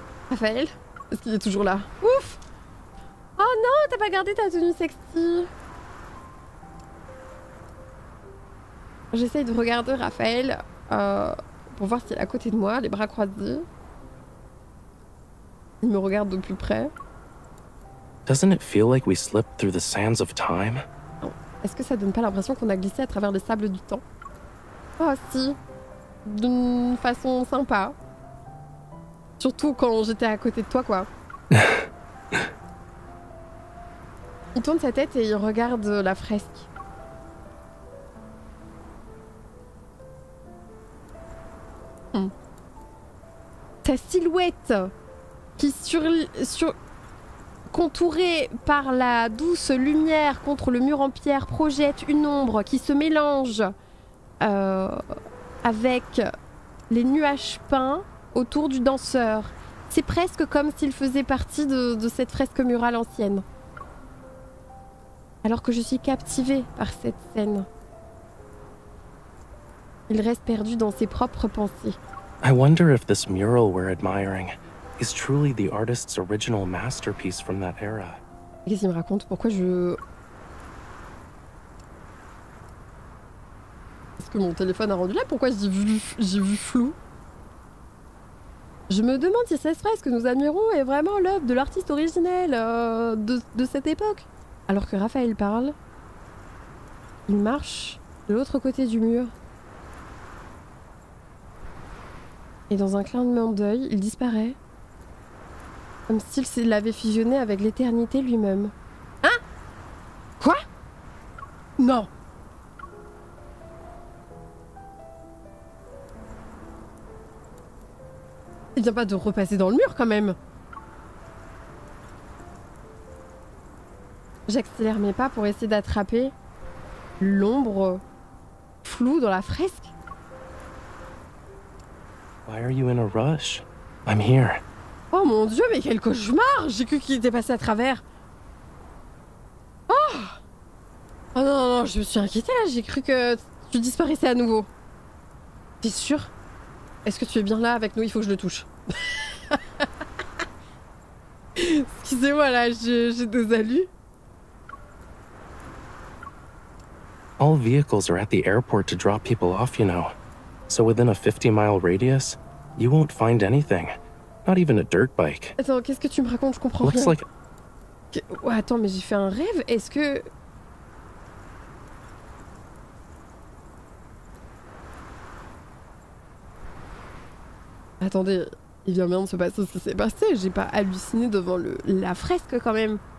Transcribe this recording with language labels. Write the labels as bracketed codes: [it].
[fr] Raphaël, est-ce qu'il est toujours là? Ouf! Oh non, t'as pas gardé ta tenue sexy. J'essaye de regarder Raphaël pour voir s'il est à côté de moi, les bras croisés. Il me regarde de plus près. [en] Doesn't it feel like we slipped through the sands of time? [fr] Est-ce que ça donne pas l'impression qu'on a glissé à travers les sables du temps? Oh si, d'une façon sympa. Surtout quand j'étais à côté de toi, quoi. Il tourne sa tête et il regarde la fresque. Ta silhouette qui sur contouré par la douce lumière contre le mur en pierre, projette une ombre qui se mélange avec les nuages peints autour du danseur. C'est presque comme s'il faisait partie de cette fresque murale ancienne. Alors que je suis captivée par cette scène. Il reste perdu dans ses propres pensées. [en] I wonder if this mural we're admiring is truly the artist's original masterpiece from that era. [fr] Qu'est-ce qu'il me raconte? Pourquoi je... Est-ce que mon téléphone a rendu là? Pourquoi j'ai vu flou? Je me demande si cette fresque que nous admirons est vraiment l'œuvre de l'artiste originel de cette époque. Alors que Raphaël parle, il marche de l'autre côté du mur. Et dans un clin d'œil, il disparaît. Comme s'il l'avait fusionné avec l'éternité lui-même. Hein? Quoi? Non. Il vient pas de repasser dans le mur quand même. J'accélère mes pas pour essayer d'attraper l'ombre floue dans la fresque. [en] Why are you in a rush? I'm here. [fr] Oh mon dieu, mais quel cauchemar! J'ai cru qu'il était passé à travers. Oh non, non, je me suis inquiétée là, j'ai cru que tu disparaissais à nouveau. T'es sûre? Est-ce que tu es bien là avec nous? Il faut que je le touche. Excusez-moi là, j'ai des alus. [en] All vehicles are at the airport to drop people off, you know. So within a 50-mile radius, you won't find anything. Not even a dirt bike. [fr] Attends, qu'est-ce que tu me racontes? Je comprends [en] Looks [fr] rien. [en] Like... [fr] Que... Ouais, attends, mais j'ai fait un rêve. Est-ce que... Attendez, il vient bien de se passer ce qui s'est passé. J'ai pas halluciné devant la fresque quand même.